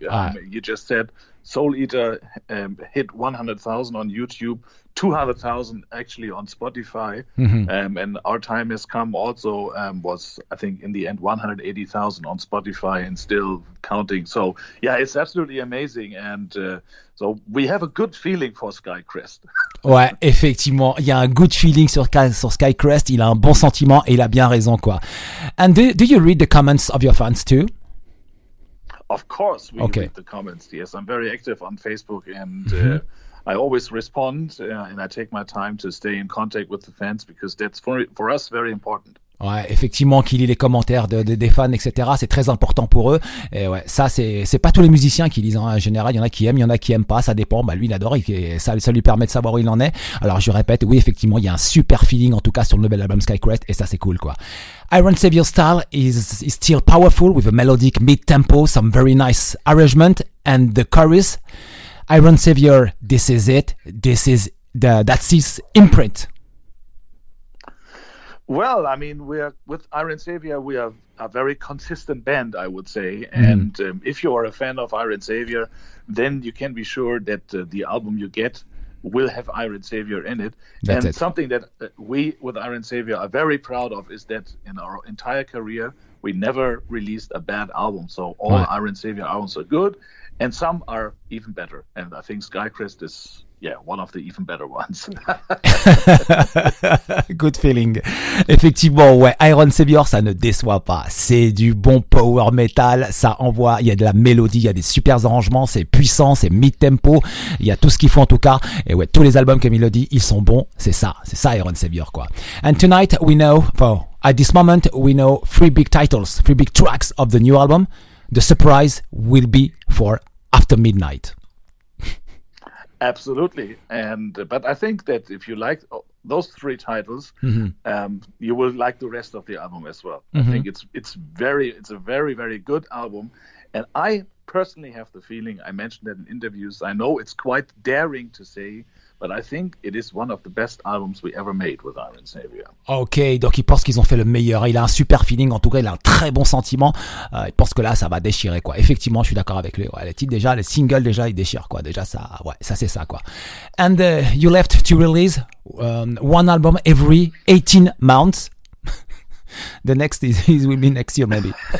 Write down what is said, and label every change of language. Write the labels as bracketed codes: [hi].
[en] You just said Soul Eater hit 100,000 on YouTube, 200,000 actually on Spotify. Mm-hmm. And Our Time Has Come also was, I think, in the end, 180,000 on Spotify and still counting. So, yeah, it's absolutely amazing. And so we have a good feeling for Skycrest. [fr] Ouais, effectivement, il y a un good feeling sur Skycrest. Il a un bon sentiment et il a bien raison, quoi. [en] And do you read the comments of your fans too? Of course, we read the comments. Yes, I'm very active on Facebook, and I always respond, and I take my time to stay in contact with the fans, because that's for us very important. [fr] Ouais, effectivement, qui lit les commentaires des fans, etc. C'est très important pour eux. Et ouais, ça, c'est pas tous les musiciens qui lisent en général. Il y en a qui aiment, il y en a qui aiment pas. Ça dépend. Lui, il adore, et ça lui permet de savoir où il en est. Alors, je répète, oui, effectivement, il y a un super feeling, en tout cas, sur le nouvel album Skycrest, et ça, c'est cool, quoi. [en] Iron Savior style is still powerful with a melodic mid-tempo, some very nice arrangement, and the chorus. Iron Savior, this is it. That's his imprint. Well, I mean, with Iron Savior, we are a very consistent band, I would say. Mm. And if you are a fan of Iron Savior, then you can be sure that the album you get will have Iron Savior in it. That's it. Something that we with Iron Savior are very proud of is that in our entire career, we never released a bad album. So all Iron Savior albums are good, and some are even better. And I think Skycrest is... yeah, one of the even better ones. Good feeling. [fr] Effectivement, ouais, Iron Savior, ça ne déçoit pas. C'est du bon power metal, ça envoie, il y a de la mélodie, il y a des super arrangements, c'est puissant, c'est mid-tempo, il y a tout ce qu'il faut en tout cas. Et ouais, tous les albums que Melody, ils sont bons, c'est ça Iron Savior, quoi. [en] And tonight, we know, at this moment, we know three big titles, three big tracks of the new album. The surprise will be for After Midnight. Absolutely. But I think that if you like those three titles, you will like the rest of the album as well. I think it's a very, very good album. And I personally have the feeling, I mentioned that in interviews, I know it's quite daring to say, but I think it is one of the best albums we ever made with Iron Savior. [fr] Ok, donc il pense qu'ils ont fait le meilleur. Il a un super feeling, en tout cas, il a un très bon sentiment. Il pense que là, ça va déchirer, quoi. Effectivement, je suis d'accord avec lui. Ouais, les titres déjà, les singles déjà, ils déchirent, quoi. Déjà, ça, ouais, ça c'est ça, quoi. [en] And you left to release one album every 18 months. The next is will be next year, maybe.